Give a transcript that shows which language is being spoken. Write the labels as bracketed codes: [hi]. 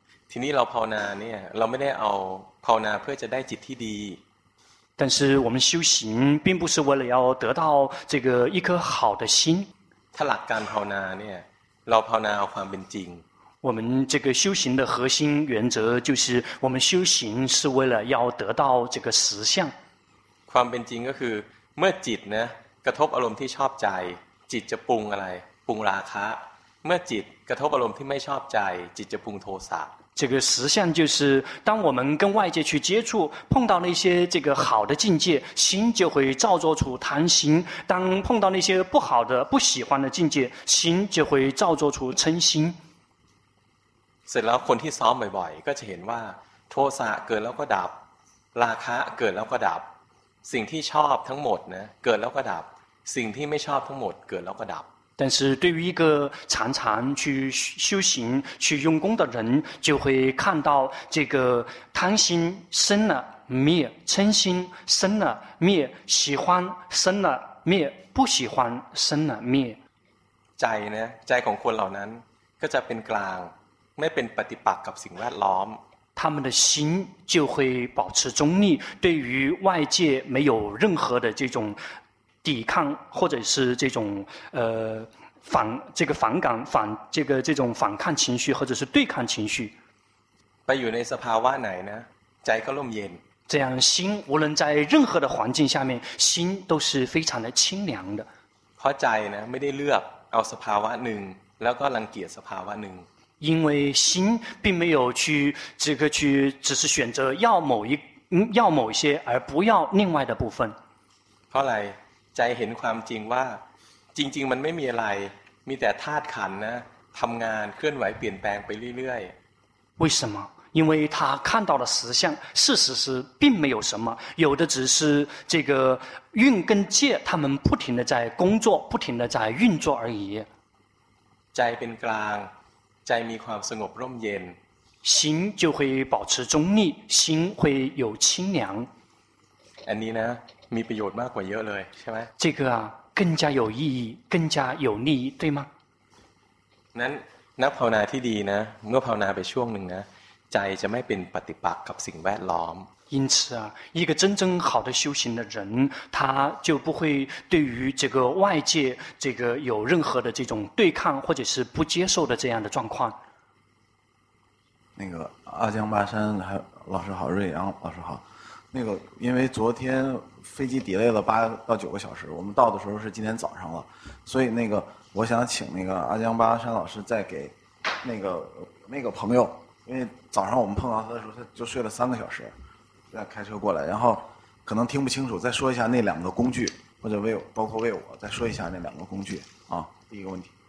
[th] ทีนี้เราภาวนาเนี่ยเราไม่ได้เอาภาวนาเพื่อจะได้จิตที่ดี [zh] แต่是我们修行并不是为了要得到这个一颗好的心 [th] ถ้าหลักการภาวนาเนี่ยเราภาวนาเอาความเป็นจริง [zh] 我们这个修行的核心原则就是我们修行是为了要得到这个实相 [th] ความเป็นจริงก็คือเมื่อจิตนะกระทบอารมณ์ที่ชอบใจจิตจะปรุงอะไรปรุงราคะเมื่อจิตกระทบอารมณ์ที่ไม่ชอบใจจิตจะปรุงโทสะ [zh] 这个实相就是当我们跟外界去接触碰到那些这个好的境界心就会造作出贪心当碰到那些不好的不喜欢的境界心就会造作出嗔心 [th] เสร็จแล้วคนที่ซ้อมบ่อยๆก็จะเห็นว่าโทสะเกิดแล้วก็ดับราคะเกิดแล้วก็ดับสิ่งที่ชอบทั้งหมดนะเกิดแล้วก็ดับสิ่งที่ไม่ชอบทั้งหมดเกิดแล้วก็ดับ [zh] 但是对于一个常常去修行去用功的人就会看到这个贪心生了灭嗔心生了灭喜欢生了灭不喜欢生了灭 [th] ใจนะใจของคนเหล่านั้นก็จะเป็นกลางไม่เป็นปฏิปักษ์กับสิ่งแวดล้อม [zh] 他们的心就会保持中立对于外界没有任何的这种抵抗或者是这种反这个反感反这个这种反抗情绪或者是对抗情绪 [th] ไปอยู่ในสภาวะไหนนะใจก็ร่มเย็น [zh] 这样心无论在任何的环境下面心都是非常的清凉的 [th] เพราะใจนะไม่ได้เลือกเอาสภาวะหนึ่งแล้วก็รังเกียจสภาวะหนึ่ง [zh] 因为心并没有去这个去只是选择要某些而不要另外的部分 [th] เพราะอะไรใจเห็นความจริงว่าจริงๆมันไม่มีอะไรมีแต่ธาตุขันธ์นะทำงานเคลื่อนไหวเปลี่ยนแปลงไปเรื่อย [zh] ๆ为什么因为他看到了实相，事实是并没有什么，有的只是这个运跟界他们不停的在工作，不停的在运作而已。 [th] 在เป็นกลาง在มีความสงบร่มเย็น [zh] 心就会保持中立，心会有清凉。 [th] อันนี้นะมีประโยชน์มากกว่าเยอะเลยใช่ไหม [zh] 这个啊更加有意义，更加有利益，对吗？ [th] นั้นนักภาวนาที่ดีนะเมื่อภาวนาไปช่วงหนึ่งนะใจจะไม่เป็นปฏิปักษ์กับสิ่งแวดล้อม [zh] 因此啊一个真正好的修行的人他就不会对于这个外界这个有任何的这种对抗或者是不接受的这样的状况那个阿江巴山老师好瑞阳老师好那个因为昨天飞机 delay 了8到9个小时我们到的时候是今天早上了所以那个我想请那个阿江巴山老师再给那个朋友因为早上我们碰到他的时候他就睡了3个小时再开车过来然后可能听不清楚再说一下那两个工具或者包括为我再说一下那两个工具啊第一个问题